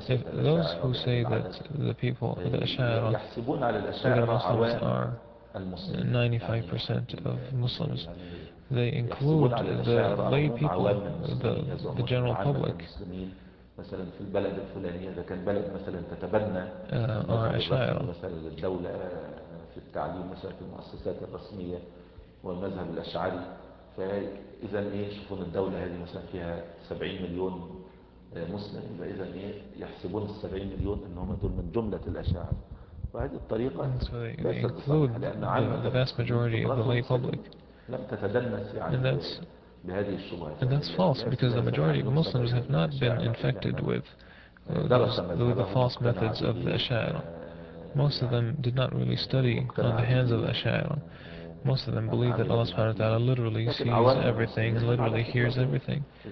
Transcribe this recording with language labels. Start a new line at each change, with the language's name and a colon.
English: and if those who say that the people the
Arabic: أشاعرة يحسبون على الأشاعرة
English: Muslims are 95% of Muslims they include the lay people the general public
Arabic: مثلا في البلد الفلانية إذا كان بلد مثلا تتبنى أشاعرة مثلا الدولة في التعليم مثلا في المؤسسات الرسمية والمذهب الأشعري فإذا إيه يشوفون الدولة هذه مثلا فيها 70 مليون مسلم فإذا إيه يحسبون 70 مليون أنهم دول من جملة الأشاعرة وهذه الطريقة ليست صحيحة لأن عامة
English: the vast majority of the lay public
Arabic: لم تتدنس يعني بهذه الشبهات
English: and that's false because the majority of Muslims have not been infected with the false methods of the Ash'ara. Most of them did not really study on the hands of the Ash'ara. Most of them believe that Allah subhanahu wa ta'ala literally sees everything and literally hears everything.